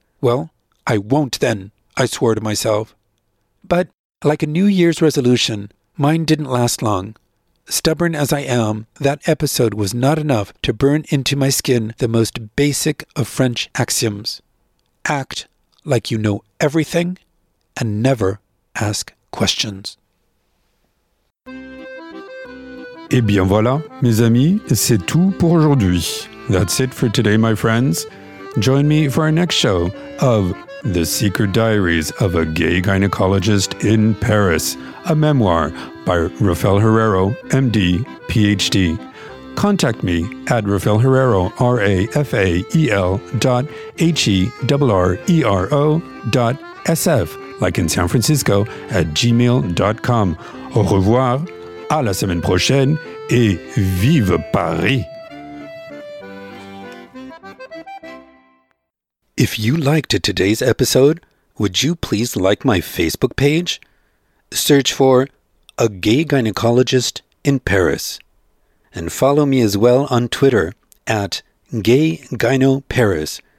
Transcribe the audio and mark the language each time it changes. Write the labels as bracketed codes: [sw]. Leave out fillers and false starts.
[en] "Well, I won't then," I swore to myself. But, like a New Year's resolution, mine didn't last long. Stubborn as I am, that episode was not enough to burn into my skin the most basic of French axioms. Act like you know everything and never ask questions. [fr] Et bien voilà, mes amis, c'est tout pour aujourd'hui. [en] That's it for today, my friends. Join me for our next show of The Secret Diaries of a Gay Gynecologist in Paris, a memoir by Rafael Herrero, MD, PhD. Contact me at Rafael Herrero, RAFAEL.HERRERO.SF. Like in San Francisco, at gmail.com. [fr] Au revoir, à la semaine prochaine, et vive Paris! [en] If you liked today's episode, would you please like my Facebook page? Search for A Gay Gynecologist in Paris. And follow me as well on Twitter, at Gay Gyno Paris,